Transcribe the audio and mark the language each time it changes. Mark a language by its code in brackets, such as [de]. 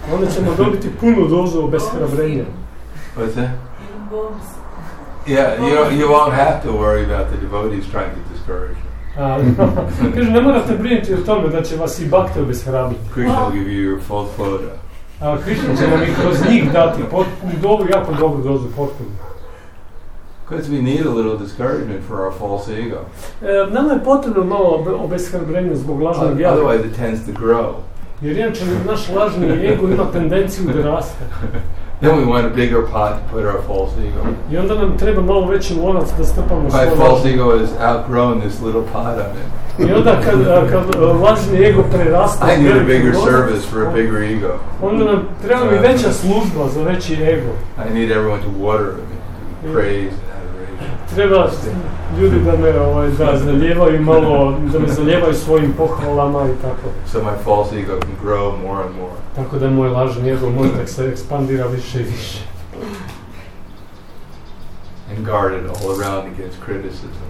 [bs] Onda ćemo dobiti punu dozu obeshrabrenja. [en] What's that? Yeah, you won't have to worry about the devotees trying to discourage you. [bs] Kaže, ne morate brinuti o tome da će vas i bhakta obeshrabiti. [en] Krishna will give you your full quota. [bs] Krishna će nam i kroz njih dati dobro, jako dobro dozu potpuno. [en] Because we need a little discouragement for our false ego. [bs] Nama je potrebno malo obeshrabrenja zbog lažnog ja. [en] Otherwise it tends to grow. [bs] Jer inače naš lažni ego ima tendenciju da raste. [en] Then we want a bigger pot to put our false ego. [bs] I onda nam treba malo veći lonac da strpamo svoje. [en] My false ego has outgrown this little pot of it. [bs] I onda kad lažni ego prerasta, [en] I need a bigger service for a bigger ego. [bs] Onda nam treba mi veća služba za veći ego. [en] I need everyone to water me, praise and adoration. [bs] Treba ljudi da me zalijevaju malo, da me zalijevaju svojim pohvalama i tako. [en] So my false ego can grow more and more. [bs] Tako da moj lažni ego možda se ekspandira više i više. [en] And guard it all around against criticism.